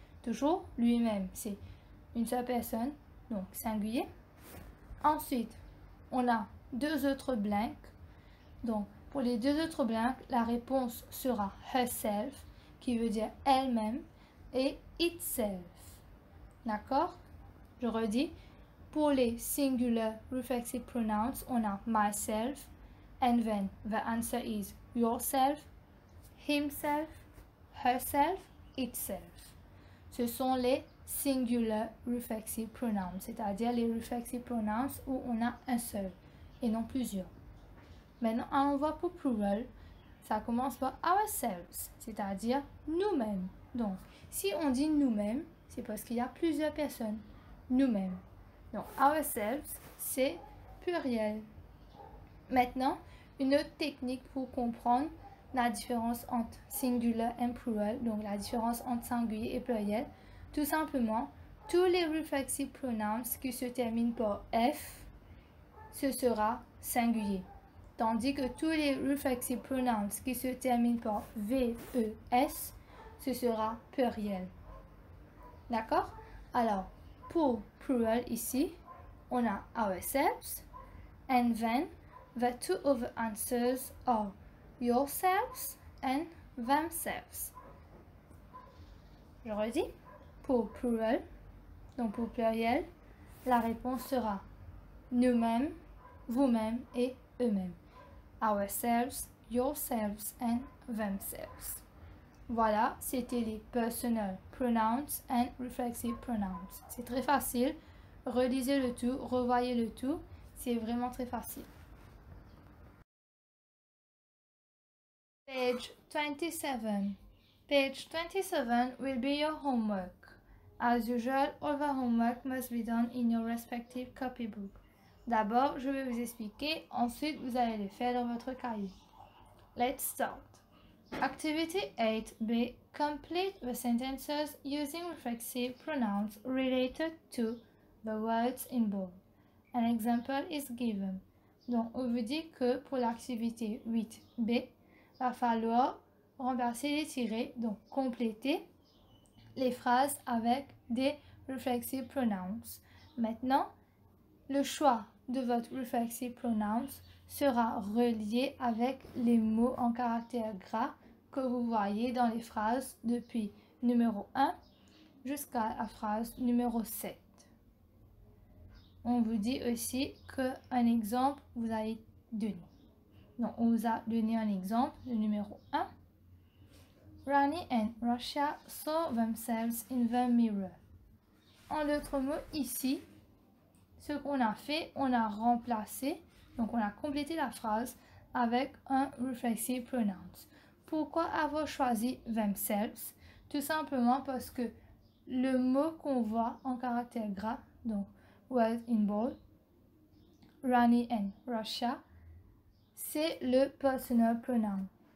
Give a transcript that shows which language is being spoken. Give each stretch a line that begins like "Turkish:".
French: Toujours lui-même, c'est une seule personne, donc singulier. Ensuite, on a deux autres blanks, donc Pour les deux autres blagues, la réponse sera herself, qui veut dire elle-même, et itself. D'accord? Je redis. Pour les
English: singular reflexive pronouns,
French: on a
English: myself, and then the answer is yourself, himself, herself, itself.
French: Ce sont les singular reflexive pronouns, c'est-à-dire les reflexive pronouns où on a un seul et non plusieurs. Maintenant, on voit pour plural, ça commence par ourselves, c'est-à-dire nous-mêmes. Donc, si on dit nous-mêmes, c'est parce qu'il y a plusieurs personnes, nous-mêmes. Donc, ourselves, c'est pluriel. Maintenant, une autre technique pour comprendre la différence entre singular et plural, donc la différence entre singulier et pluriel, tout simplement, tous les reflexive pronouns qui se terminent par F, ce sera singulier. Tandis que tous les reflexive pronouns qui se terminent par V, E, S, ce sera pluriel. D'accord? Alors, pour
English: plural
French: ici, on a
English: ourselves, and then the two other answers are yourselves and themselves.
French: Je redis, pour plural, donc pour pluriel, la réponse sera nous-mêmes, vous-même et eux-mêmes.
English: Ourselves, yourselves and themselves.
French: Voilà, c'était les
English: personal pronouns and reflexive pronouns.
French: C'est très facile. Relisez le tout, revoyez le tout. C'est vraiment très facile.
English: Page 27. Page 27 will be your homework. As usual, all the homework must be done in your respective copybook.
French: D'abord, je vais vous expliquer, ensuite vous allez le faire dans votre cahier.
English: Let's start. Activity 8b. Complete the sentences using reflexive pronouns related to the words in bold. An example is given.
French: Donc, on vous dit que pour l'activité 8b, il va falloir renverser les tirets, donc compléter les phrases avec des reflexive pronouns. Maintenant, le choix de votre reflexive pronouns sera relié avec les mots en caractère gras que vous voyez dans les phrases depuis numéro 1 jusqu'à la phrase numéro 7. On vous dit aussi qu'un exemple vous a été donné. Donc, on vous a donné un exemple de numéro 1.
English: Rani and Russia saw themselves in the mirror.
French: En d'autres mots, ici, ce qu'on a fait, on a remplacé, donc on a complété la phrase avec un reflexive pronoun. Pourquoi avoir choisi themselves? Tout simplement parce que le mot qu'on voit en caractère gras, donc
English: words in bold,
French: Rani and Russia, c'est le personal pronoun.